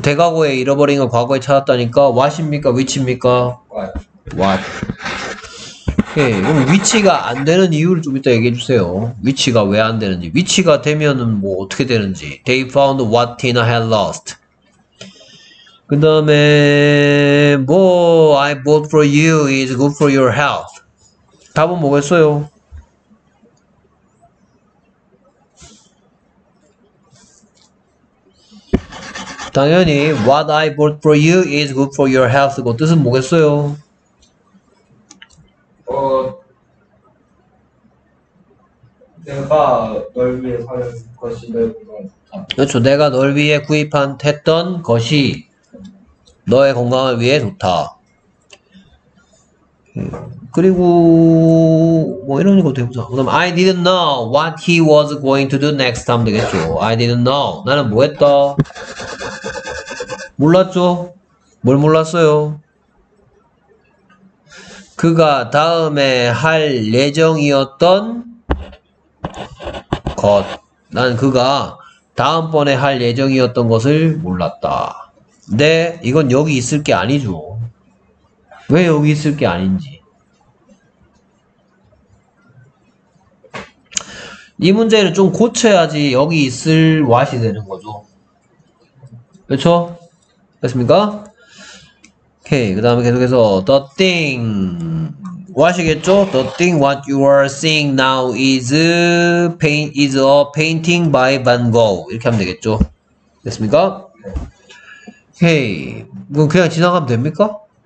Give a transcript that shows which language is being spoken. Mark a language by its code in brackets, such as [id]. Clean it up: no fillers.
[ko] 대과거에 잃어버린 걸 과거에 찾았다니까. What입니까? Which입니까? What. 오케이. 그럼 위치가 안 되는 이유를 좀 이따 얘기해 주세요. 위치가 왜안 되는지. 위치가 되면은 뭐 어떻게 되는지. [en] They found what Tina had lost. [ko] 그 다음에, 뭐, [en] I bought for you is good for your health. [ko] 답은 뭐겠어요? 당연히, [en] what I bought for you is good for your health [ko] 고 뜻은 뭐겠어요? 내가 널 위해 사는 것이 너의 그렇죠. 내가 널 위해 구입한 했던 것이 너의 건강을 위해 좋다. 그리고 뭐 이런 것도 해보자. 그다음 [en] I didn't know what he was going to do next time [ko] 되겠죠. [en] I didn't know. [ko] 나는 뭐 했다? 몰랐죠. 뭘 몰랐어요? 그가 다음에 할 예정이었던 것. 난 그가 다음번에 할 예정이었던 것을 몰랐다. 네, 이건 여기 있을 게 아니죠. 왜 여기 있을 게 아닌지. 이 문제는 좀 고쳐야지 여기 있을 what이 되는 거죠. 그렇죠? 됐습니까? 오케이, 그 다음에 계속해서 the thing what이겠죠? [en] The thing what you are seeing now is a painting by Van Gogh. [ko] 이렇게 하면 되겠죠? 됐습니까? 오케이, 그럼 그냥 지나가면 됩니까?